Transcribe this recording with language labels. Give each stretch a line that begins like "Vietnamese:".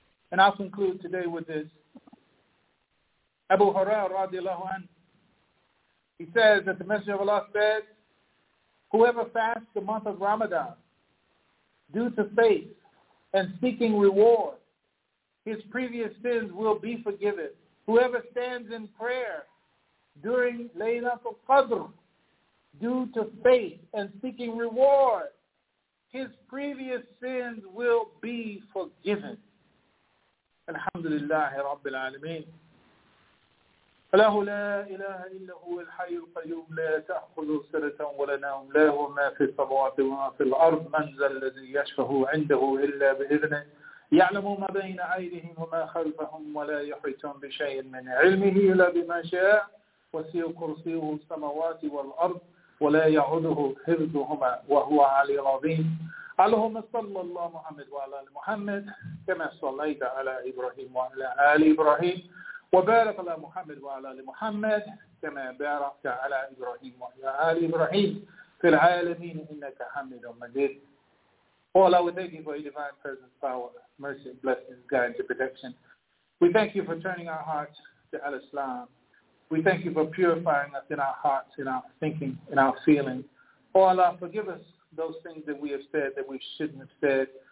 English: And I'll conclude today with this. Abu Hurairah radiallahu anhu, he says that the Messenger of Allah said, "Whoever fasts the month of Ramadan due to faith and seeking reward, his previous sins will be forgiven. Whoever stands in prayer during Laylatul Qadr due to faith and seeking reward, his previous sins will be forgiven." Alhamdulillah Rabbil Alameen.
Arabic: فله لا إله إلا هو الحي القيوم لا تأخذ سنة ولا نوم له ما في السماوات وما في الأرض من ذا الذي يشفع عنده إلا بإذنه يعلم ما بين أيديهم وما خلفهم ولا يحيطون بشيء من علمه إلا بما شاء وسع كرسيه السماوات والأرض ولا يعوده حفظهما وهو العلي العظيم اللهم صل على محمد وعلى آل محمد كما صليت على إبراهيم وعلى آل إبراهيم وبارك على محمد وعلى آل محمد كما باركت على إبراهيم وعلى آل إبراهيم في العالمين إنك حميد مجيد.
English: All our thank you for your divine presence, power, mercy, blessings, guidance, and protection. We thank you for turning our hearts to Al-Islam. We thank you for purifying us in our hearts, in our thinking, in our feelings. Oh Allah, forgive us those things that we have said that we shouldn't have said.